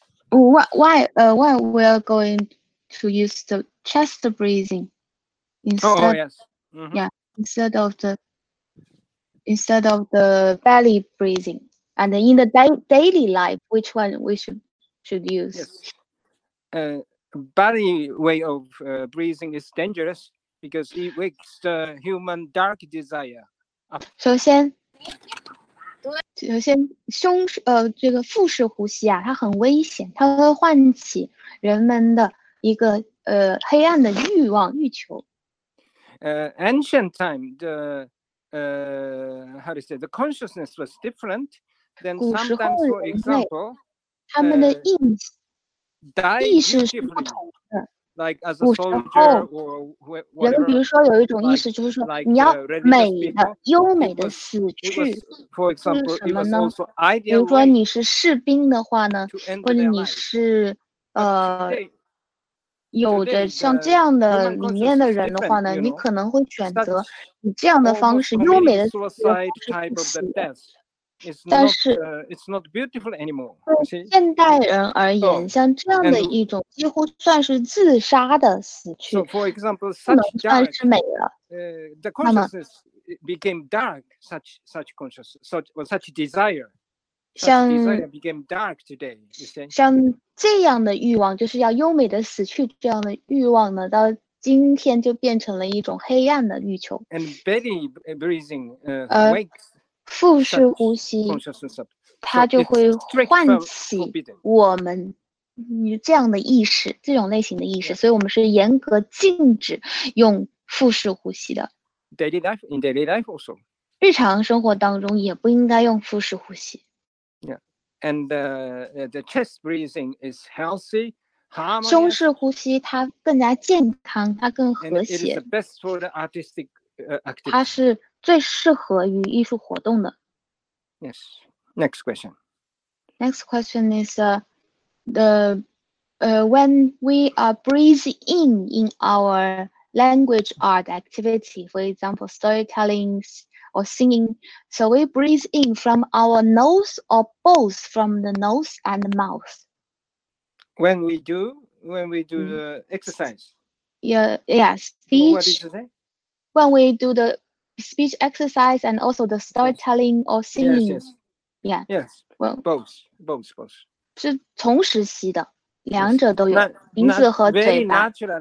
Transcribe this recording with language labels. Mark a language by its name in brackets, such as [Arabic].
[English] Why we are going to use the chest breathing instead of the belly breathing, and in the daily life, which one we should use? Yes. Belly way of breathing is dangerous because it wakes the human dark desire. [Chinese] 首先，胸这个腹式呼吸啊，它很危险，它会唤起人们的一个黑暗的欲望欲求。 [English] Ancient time, the how to say the consciousness was different. Then sometimes, for example, [Chinese] 他们的意识意识是不同的。 [English] Like as a soldier, [Chinese] 人们比如说有一种意识，就是说 [English] like, [Chinese] 你要美的、优美的死去。 [English] For example, [Chinese] 是什么呢？比如说你是士兵的话呢，或者你是有着像这样的理念的人的话呢，你可能会选择以这样的方式优美的死去。但是 [English] it's not beautiful anymore, [Chinese] 对现代人而言 [English] so, [Chinese] 像这样的一种几乎算是自杀的死去 [English] so, for example, such [Chinese] 不能算是美了 [English] the consciousness became dark, such consciousness, such desire, such desire became dark today, you see? [Chinese] 像这样的欲望就是要优美的死去这样的欲望呢到今天就变成了一种黑暗的欲求 [English] and belly breathing wakes [Chinese] 腹式呼吸它就会唤起我们这样的意识这种类型的意识所以我们是严格禁止用腹式呼吸的 [English] daily life, in daily life also. [Chinese] 日常生活当中也不应该用腹式呼吸 [English] yeah. And the chest breathing is healthy, harmonious, [Chinese] 胸式呼吸它更加健康它更和谐 [English] And it is the best for the artistic, activity. [Chinese] 它是最适合于艺术活动的。 [English] Yes. Next question. Next question is when we are breathing in our language art activity, for example, storytelling or singing, so we breathe in from our nose or both from the nose and the mouth. When we do the exercise. Speech. What did you say? When we do the speech exercise and also the storytelling or singing. Yes, both. [Chinese] 是同时吸的，两者都有，鼻子和嘴巴。